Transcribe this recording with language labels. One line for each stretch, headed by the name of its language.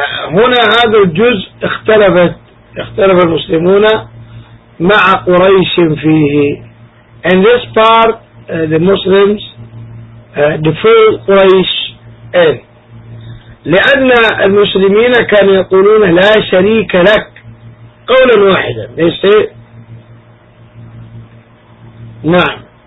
Arabic: هنا هذا الجزء اختلف المسلمون مع قريش فيه.
English: In this part, the Muslims defer قريش in.
Arabic: لأن المسلمين كانوا يقولون لا شريك لك قولا واحدا.
English: They say, نعم.